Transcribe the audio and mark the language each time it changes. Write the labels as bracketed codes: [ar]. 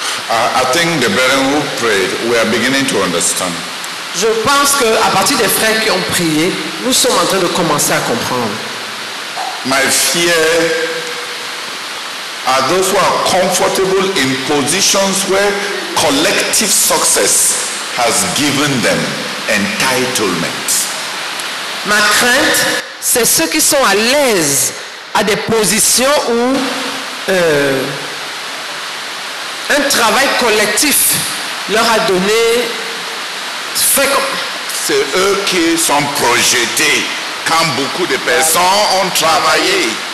[en] I think the brethren who prayed, we are beginning to understand. [fr] Je pense que à partir des frères qui ont prié, nous sommes en train de commencer à comprendre. [en] My fear are those who are comfortable in positions where collective success has given them entitlement. [fr] Ma crainte, c'est ceux qui sont à l'aise à des positions où un travail collectif leur a donné. C'est eux qui sont projetés quand beaucoup de personnes ont travaillé.